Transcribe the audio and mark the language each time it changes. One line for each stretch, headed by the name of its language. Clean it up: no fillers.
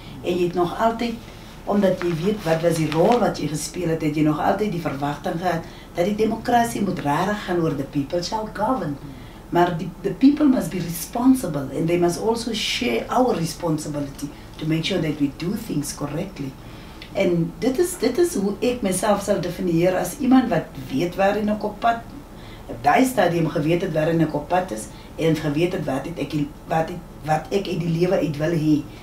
Afrikaans: En jy het nog altyd, omdat jy weet wat was die rol wat jy gespeel het, het jy nog altyd die verwagting gehad, dat die democratie moet rare gaan oor
English: the people shall govern. Maar the people must be responsible and they must also share our responsibility to make sure that we do things correctly.
Afrikaans: En dit is hoe ek myself sal definieer as iemand wat weet waarin ek op pad, op die stadium geweet het waarin ek op pad is en geweet het wat ek in die lewe uit wil hê.